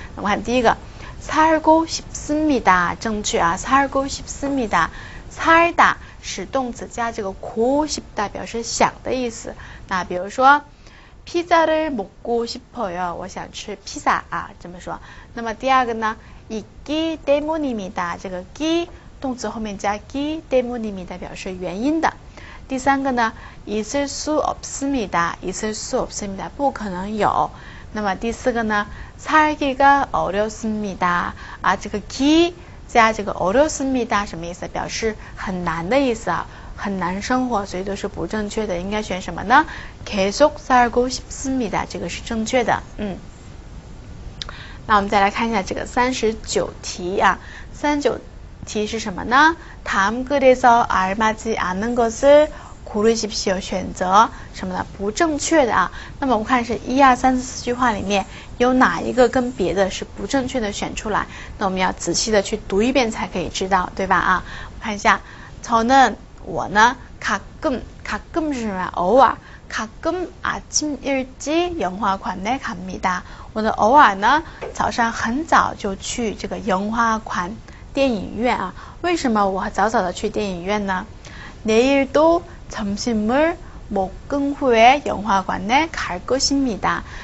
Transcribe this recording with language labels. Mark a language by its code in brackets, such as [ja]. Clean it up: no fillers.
[zh] 我们看第一个， [ko] 살고 싶습니다， [zh] 正确啊， 살고 싶습니다， 살다 是动词加这个 고 싶다， 表示想的意思。那比如说， [ko] 피자를 먹고 싶어요， [zh] 我想吃披萨啊， 这么说。那么第二个呢， 있기 때문입니다， 这个 기 动词后面加 기 때문입니다， 表示原因的。第三个呢， [ko] 있을 수 없습니다， [zh] 있을 수 없습니다， 不可能有。那么第四个呢， [ko] 살기가 어렵습니다， [zh] 아, 这个 기 加这个 어렵습니다， 什么意思？表示很难的意思啊， 很难生活，所以都是不正确的。应该选什么呢？ [ko] 계속 살고 싶습니다， [zh] 这个是正确的。那我们再来看一下这个 39题啊， 39题是什么呢？ [ko] 다음 글에서 알맞지 않은 것을 고르십시오， [zh] 选择什么呢？不正确的啊。那么我们看是 1,2,3,4句话里面 有哪一个跟别的是不正确的选出来， 那我们要仔细的去读一遍才可以知道，对吧啊。我看一下， 저는 我呢， 가끔， 가끔是什么？偶尔， [ko] 가끔 아침 일찍 영화관에 갑니다， [zh] 我的偶尔呢， 早上很早就去这个영화관电影院啊。为什么我早早的去电影院呢？ [ko] 내일도 점심을 먹은 후에 영화관에 갈 것입니다.